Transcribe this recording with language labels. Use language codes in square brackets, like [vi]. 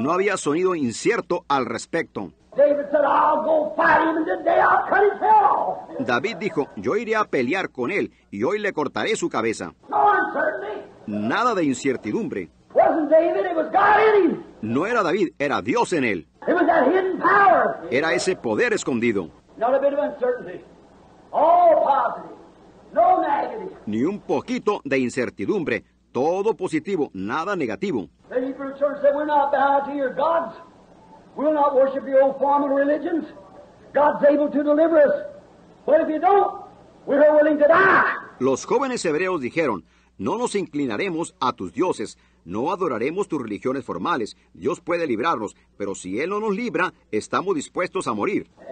[es] No había sonido incierto al respecto. [en] David said, I'll go fight him and today I'll cut his head off. [es] David dijo, yo iré a pelear con él y hoy le cortaré su cabeza. [en] No uncertainty. [es] Nada de incertidumbre. [en] Wasn't David, it was God in him. [es] No era David, era Dios en él. [en] It was that hidden power. [es] Era ese poder escondido. [en] Not a bit of uncertainty. All positive. No negative. [es] Ni un poquito de incertidumbre. Todo positivo, nada negativo. [en] The Hebrew church said, we're not bound to your gods. We'll not worship your old form of religions. God's able to deliver us. But if you don't, we're willing to die. [es] Los jóvenes hebreos dijeron, No nos inclinaremos a tus dioses. No adoraremos tus religiones formales. Dios puede librarnos, pero si Él no nos libra, estamos dispuestos a morir.